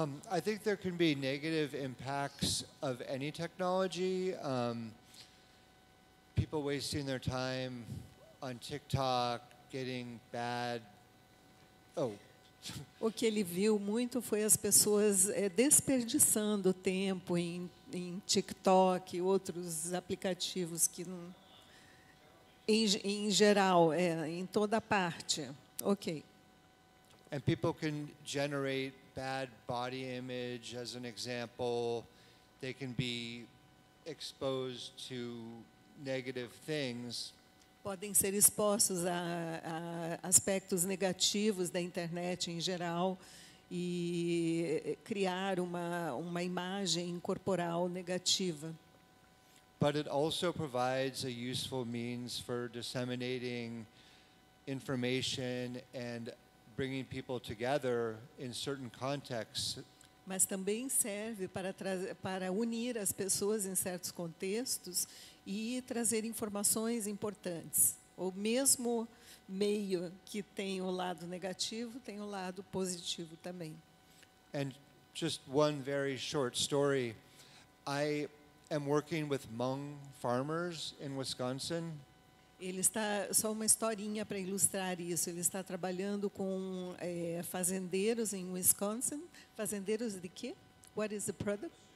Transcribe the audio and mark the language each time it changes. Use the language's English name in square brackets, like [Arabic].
[English] I think there can be negative impacts of any technology. People wasting their time on TikTok, getting bad. [Portuguese] O que ele viu muito foi as pessoas desperdiçando tempo em TikTok e outros aplicativos que não, em geral, em toda parte. Ok. [English] And people can generate bad body image, as an example. They can be exposed to negative things. [Portuguese] Podem ser expostos a aspectos negativos da internet em geral e criar uma imagem corporal negativa. [English] But it also provides a useful means for disseminating information and bringing people together in certain contexts. [Portuguese] Mas também serve para unir as pessoas em certos contextos e trazer informações importantes. O mesmo meio que tem o lado negativo, tem o lado positivo também. [English] And just one very short story. I am working with Hmong farmers in Wisconsin. [Portuguese] Ele está, só uma historinha para ilustrar isso, ele está trabalhando com fazendeiros em Wisconsin. Fazendeiros de quê? [English] What is the product?